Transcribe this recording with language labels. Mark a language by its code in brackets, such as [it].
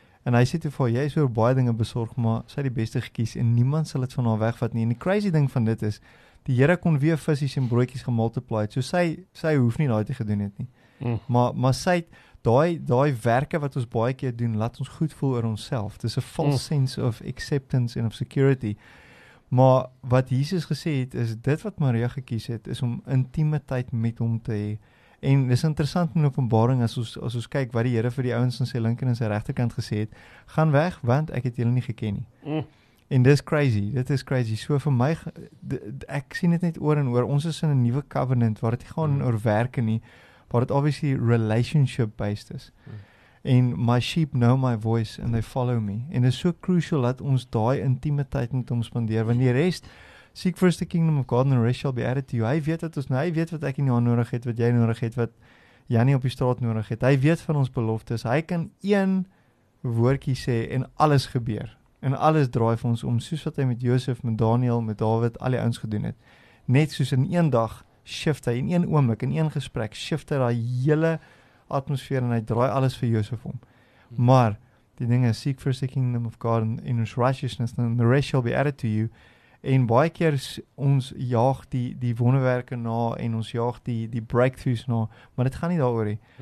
[af] En hy sê toe vir jy is oor baie dinge besorg, maar sy het die beste gekies en niemand sal dit van haar wegvat nie. En die crazy ding van dit is, die Here kon weer visies en broodjies gemultiply het. So sy hoef nie daai te gedoen het nie. Maar sy het daai werke wat ons baie keer doen, laat ons goed voel oor onsself. [en] Dis 'n false sense of acceptance and of security. [af] Maar wat Jesus gesê het, is dit wat Maria gekies het, is om intimiteit met hom te hê. En dis interessant in Openbaring, as ons kyk wat die Here vir die ouens aan sy linker en sy regterkant gesê het, gaan weg, want ek het julle nie geken nie. En dit is crazy. So vir my, ek sien dit net oor en oor, ons is in 'n nuwe covenant, waar dit nie gaan oor werke nie, [en] but it obviously relationship based is. En my sheep know my voice and they follow me. [af] En [en] it's so crucial [af] dat ons daai intimiteit met hom spandeer, want die rest, [en] seek first the kingdom of God and the rest shall be added to you. [af] Hy weet dat ons nou, hy weet wat ek in jou nodig het, wat jy nodig het, wat Jannie op die straat nodig het. Hy weet van ons beloftes. Hy kan een woordjie sê en alles gebeur. En alles draai vir ons om, soos wat hy met Josef, met Daniel, met David, al die ouens gedoen het. Net soos in een dag, shift hy in een oomblik, in een gesprek, shift hy daai hele atmosfeer en hy draai alles vir Josef om. Maar, die ding is, [en] seek first the kingdom of God and in his righteousness, and the rest shall be added to you. [af] En baie keer ons jaag die wonderwerke na, en ons jaag die breakthroughs na, maar dit gaan nie daar oor nie.